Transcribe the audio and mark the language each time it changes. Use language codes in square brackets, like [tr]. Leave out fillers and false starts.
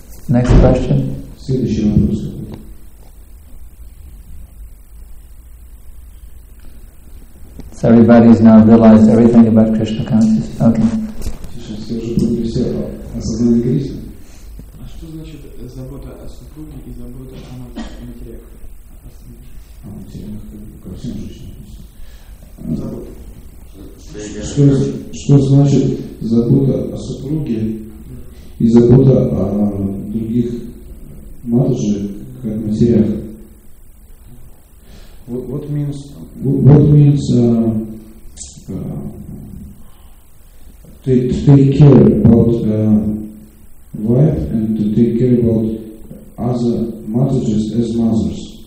[en] Next question. So everybody's now realized everything about Krishna consciousness. Okay. [ru] все же будет все о сознании Кришны. А что значит забота о супруге и забота о материях? О материях, ко всем женщинам. Забота. Что значит забота о супруге и забота о других матушек, как матерях? [en] What means? What means to take care about wife and to take care about other mothers as mothers?